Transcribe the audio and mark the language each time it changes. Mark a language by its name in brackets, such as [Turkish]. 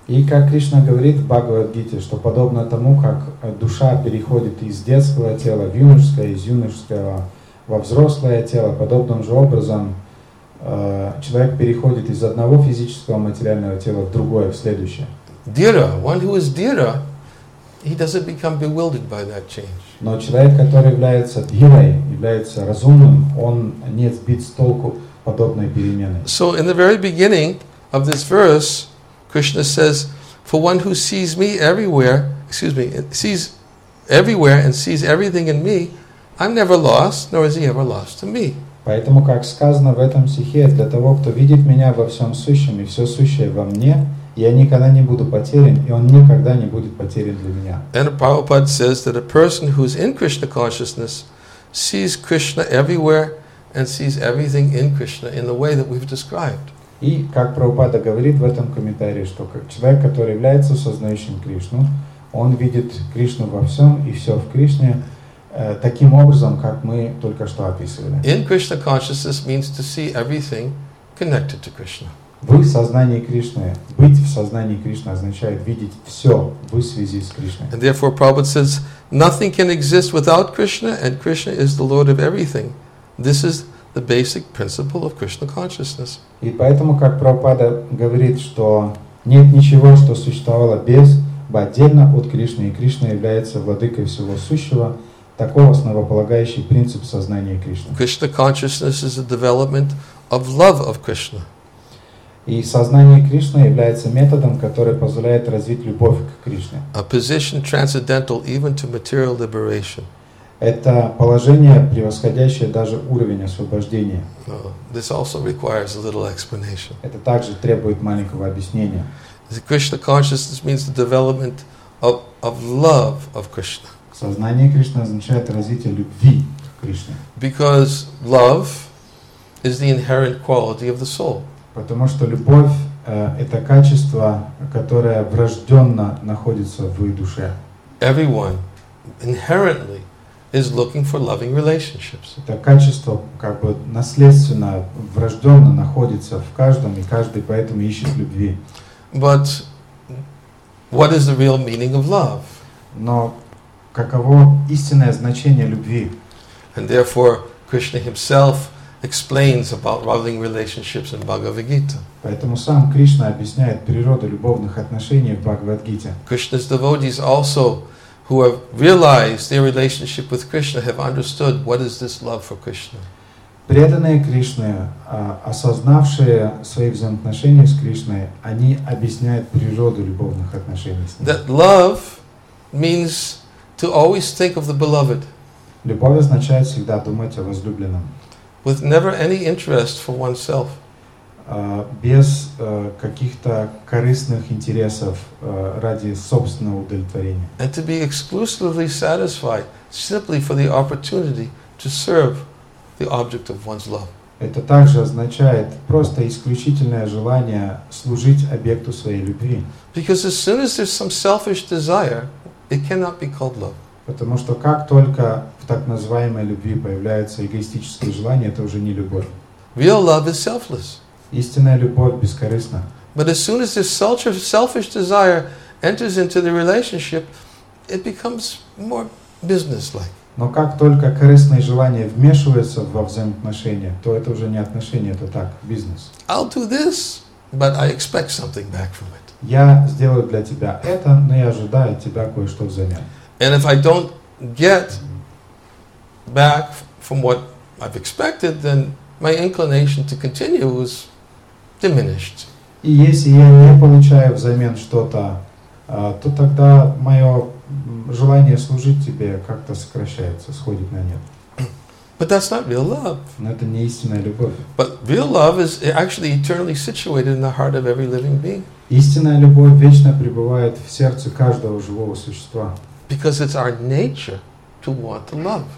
[Russian] И как Кришна говорит в Бхагавад Гите, что подобно тому, как душа переходит из детского тела в юношеское, из юношеского во взрослое тело, подобным же образом человек переходит из одного физического материального тела в другое, в следующее. [English] Dira, one who is dira, he doesn't become bewildered by that change. [Russian] Но человек, который является дирой, является разумным, он не сбит с толку подобной перемены. [English] So in the very beginning of this verse, Krishna says, for one who sees me everywhere, sees everywhere and sees everything in me, I'm never lost, nor is he ever lost to me. [Russian] Поэтому, как сказано в этом стихе, для того, кто видит меня во всем сущем и все сущее во мне, я никогда не буду потерян, и он никогда не будет потерян для меня. [English] And Prabhupada says that a person who is in Krishna consciousness sees Krishna everywhere and sees everything in Krishna in the way that we've described. [Russian] И как Прабхупада говорит в этом комментарии, что человек, который является сознающим Кришну, он видит Кришну во всем и все в Кришне таким образом, как мы только что описывали. [English] In Krishna consciousness means to see everything connected to Krishna. [Russian] В сознании Кришны, быть в сознании Кришны означает видеть все в связи с Кришной. [English] And therefore Prabhupada says, nothing can exist without Krishna, and Krishna is the Lord of everything. This is the basic principle of Krishna consciousness. [Russian] И поэтому, как Прабхупада говорит, что нет ничего, что существовало без, бы отдельно от Кришны, и Кришна является владыкой всего сущего, таков основополагающий принцип сознания Кришны. [English] Krishna consciousness is a development of love of Krishna. [Russian] И сознание Кришны является методом, который позволяет развить любовь к Кришне. [English] A position transcendental even to material liberation. [Russian] Это положение, превосходящее даже уровень освобождения. [English] No, this also requires a little explanation. [Russian] Это также требует маленького объяснения. [English] The Krishna consciousness means the development of love of Krishna. [Russian] Сознание Кришны означает развитие любви к Кришне. [English] Because love is the inherent quality of the soul. [Russian] Потому что любовь это качество, которое врожденно находится в душе. [English] Everyone inherently is looking for loving relationships. [Russian] Это качество как бы наследственно, врожденно находится в каждом, и каждый поэтому ищет любви. [English] But what is the real meaning of love? [Russian] Но каково истинное значение любви? [English] And therefore, Krishna himself explains about loving relationships in Bhagavad Gita. [Russian] Поэтому сам Кришна объясняет природу любовных отношений в Бхагавад Гите. [English] Krishna's devotees also who have realized their relationship with Krishna have understood what is this love for Krishna. [Russian] Преданные Кришны, осознавшие свои взаимоотношения с Кришной, они объясняют природу любовных отношений с ним. [English] That love means to always think of the beloved. [Russian] Любовь означает всегда думать о возлюбленном. [English] With never any interest for oneself. [Russian] Без каких-то корыстных интересов ради собственного удовлетворения. [English] And to be exclusively satisfied simply for the opportunity to serve the object of one's love. [Russian] Это также означает просто исключительное желание служить объекту своей любви. [English] Because as soon as there's some selfish desire, it cannot be called love. [Russian] Потому что как только в так называемой любви появляется эгоистическое желание, это уже не любовь. [English] Real love is selfless. [Russian] Истинная любовь бескорыстна. [English] But as soon as this selfish desire enters into the relationship, it becomes more business-like. [Russian] Но как только корыстное желание вмешивается во взаимоотношения, то это уже не отношения, это так, бизнес. [English] I'll do this, but I expect something back from it. [Russian] Я сделаю для тебя это, но я ожидаю от тебя кое-что взамен. [English] And if I don't get back from what I've expected, then my inclination to continue is diminished. [Russian] И если я не получаю взамен что-то, то тогда мое желание служить тебе как-то сокращается, сходит на нет. [English] But that's not real love. [Russian] Но это не истинная любовь. [English] But real love is actually eternally situated in the heart of every living being. [Russian] Истинная любовь вечно пребывает в сердце каждого живого существа. [English] Because it's our nature to want to love.